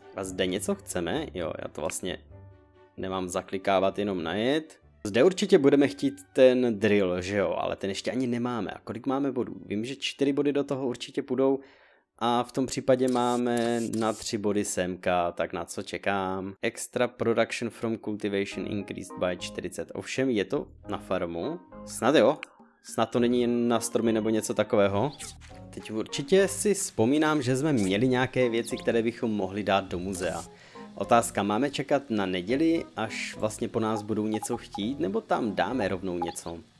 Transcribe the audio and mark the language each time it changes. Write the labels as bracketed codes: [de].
[cs] A zde něco chceme? Jo, já to vlastně nemám zaklikávat, jenom najet. Zde určitě budeme chtít ten drill, že jo, ale ten ještě ani nemáme. A kolik máme bodů? Vím, že 4 body do toho určitě půjdou. A v tom případě máme na 3 body semka, tak na co čekám? [en] Extra production from cultivation increased by 40. [cs] Ovšem, je to na farmu? Snad jo. Snad to není jen na stromy nebo něco takového. Teď určitě si vzpomínám, že jsme měli nějaké věci, které bychom mohli dát do muzea. Otázka, máme čekat na neděli, až vlastně po nás budou něco chtít, nebo tam dáme rovnou něco?